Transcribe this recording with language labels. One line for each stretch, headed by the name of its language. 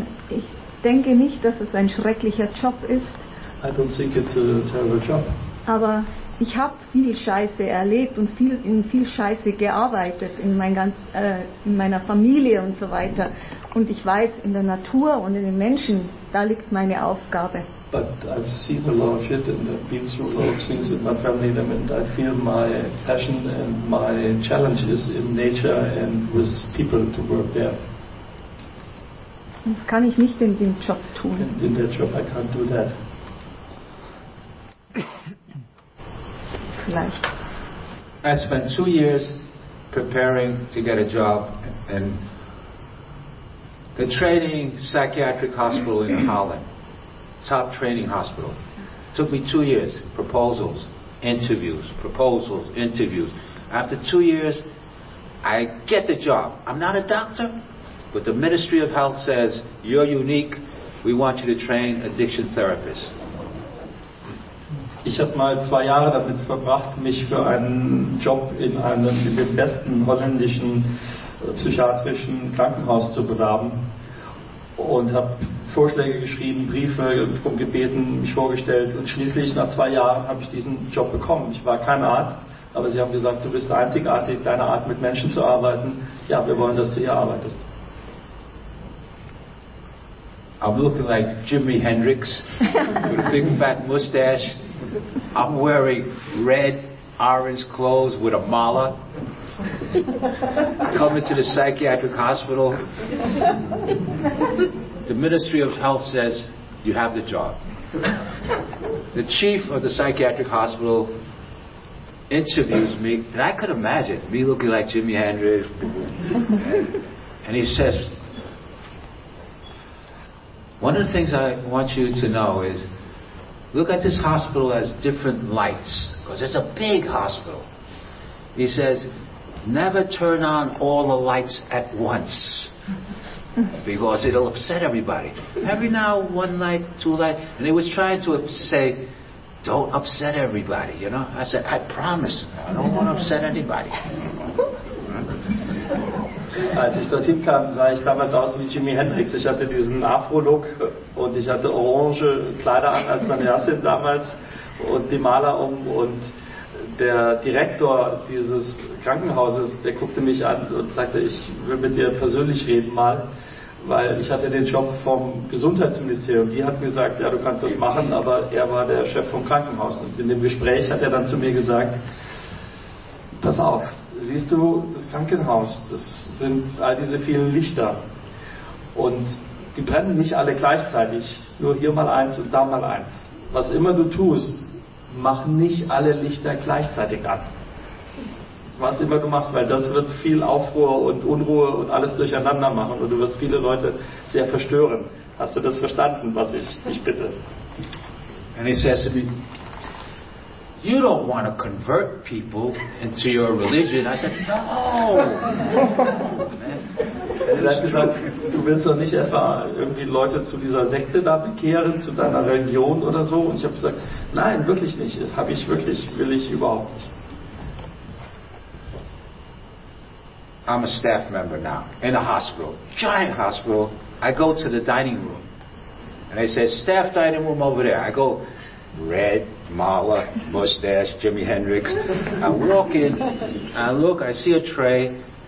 German: ich denke nicht, dass es ein schrecklicher Job ist.
English: I don't think it's a terrible job.
German: Aber ich habe viel Scheiße erlebt und in viel Scheiße gearbeitet in meiner Familie und so weiter. Und ich weiß, in der Natur und in den Menschen, da liegt meine Aufgabe.
English: But I've seen a lot of shit and I've been through a lot of things in my family and I feel my passion and my challenge is in nature and with people to work there.
German: Das kann ich nicht in dem Job tun.
English: In that job I can't do that.
German: Vielleicht.
English: I spent 2 years preparing to get a job and the training psychiatric hospital in Holland, top training hospital. Took me 2 years, proposals, interviews, proposals, interviews. After 2 years, I get the job. I'm not a doctor, but the Ministry of Health says, you're unique, we want you to train addiction therapists.
German: Ich habe mal 2 Jahre damit verbracht, mich für einen Job in einem der besten holländischen psychiatrischen Krankenhaus zu bewerben und habe Vorschläge geschrieben, Briefe drum gebeten, mich vorgestellt und schließlich nach 2 Jahren habe ich diesen Job bekommen. Ich war kein Arzt, aber sie haben gesagt, du bist einzigartig, deine Art mit Menschen zu arbeiten. Ja, wir wollen, dass du hier arbeitest.
English: I'm looking like Jimi Hendrix with a big fat mustache. I'm wearing red, orange clothes with a mala. Coming to the psychiatric hospital. The Ministry of Health says, you have the job. The chief of the psychiatric hospital interviews me, and I could imagine me looking like Jimi Hendrix. And he says, one of the things I want you to know is, look at this hospital as different lights, because it's a big hospital. He says, never turn on all the lights at once, because it'll upset everybody. Every now, one light, two lights, and he was trying to say, don't upset everybody, you know? I said, I promise, I don't want to upset anybody.
German: Als ich dorthin kam, sah ich damals aus wie Jimi Hendrix. Ich hatte diesen Afro-Look und ich hatte orange Kleider an als meine Assistentin damals und die Maler um. Und der Direktor dieses Krankenhauses, der guckte mich an und sagte, ich will mit dir persönlich reden mal, weil ich hatte den Job vom Gesundheitsministerium. Die hatten gesagt, ja, du kannst das machen, aber er war der Chef vom Krankenhaus. Und in dem Gespräch hat er dann zu mir gesagt, pass auf. Siehst du das Krankenhaus, das sind all diese vielen Lichter und die brennen nicht alle gleichzeitig, nur hier mal eins und da mal eins. Was immer du tust, mach nicht alle Lichter gleichzeitig an. Was immer du machst, weil das wird viel Aufruhr und Unruhe und alles durcheinander machen und du wirst viele Leute sehr verstören. Hast du das verstanden, was ich dich bitte?
English: And he says to me, you don't want to convert people into your religion. I said, no.
German: Er hat gesagt, du willst doch nicht etwa irgendwie Leute zu dieser Sekte da bekehren, zu deiner Religion oder so. Und ich habe gesagt, nein, wirklich nicht. Das habe ich wirklich, will ich überhaupt nicht.
English: I'm a staff member now in a hospital, giant hospital. I go to the dining room, and I say, staff dining room over there. I go, red, Marla, mustache, Jimi Hendrix. I walk in, I look, I see a tray.